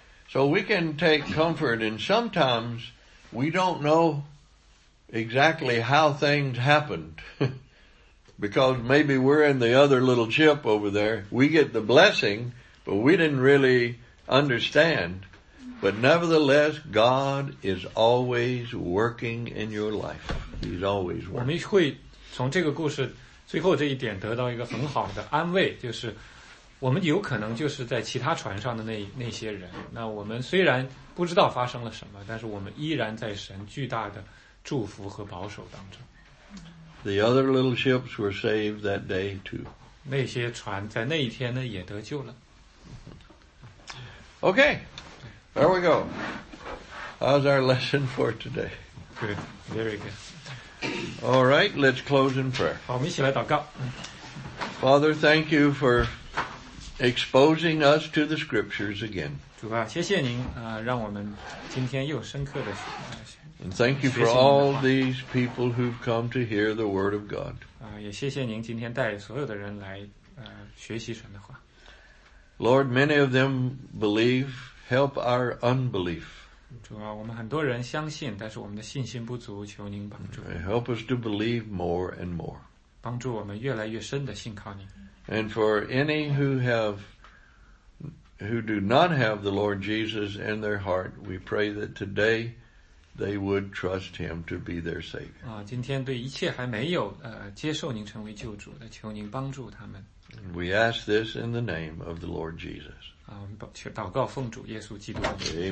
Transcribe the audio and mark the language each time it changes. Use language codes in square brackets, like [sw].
[en] So we can take comfort, and sometimes we don't know exactly how things happened because maybe we're in the other little ship over there. We get the blessing, but we didn't really understand. But nevertheless, God is always working in your life. He's always working. [zh] 我们会从这个故事最后这一点得到一个很好的安慰，就是我们有可能就是在其他船上的那些人，那我们虽然不知道发生了什么，但是我们依然在神巨大的祝福和保守当中。 [en] The other little ships were saved that day too. [zh] 那些船在那一天呢也得救了。 [en] Okay, there we go. How's our lesson for today? Good, very good. All right, let's close in prayer. [zh] 好，我们一起来祷告。 [en] Father, thank you for... Exposing us to the scriptures again. [zh] 主啊，谢谢您啊，让我们今天又深刻的学习。 [en] And thank you for all these people who've come to hear the word of God. [zh] 啊，也谢谢您今天带所有的人来学习神的话。 [en] Lord, many of them believe. Help our unbelief. [zh] 主啊，我们很多人相信，但是我们的信心不足，求您帮助。 [en] Help us to believe more and more. [zh] 帮助我们越来越深的信靠您。 [en] And for any who do not have the Lord Jesus in their heart, we pray that today they would trust him to be their savior. [zh] 今天对一切还没有接受您成为救主的，求您帮助他们。 [en] We ask this in the name of the Lord Jesus. [zh] 祷告奉主耶稣基督的名。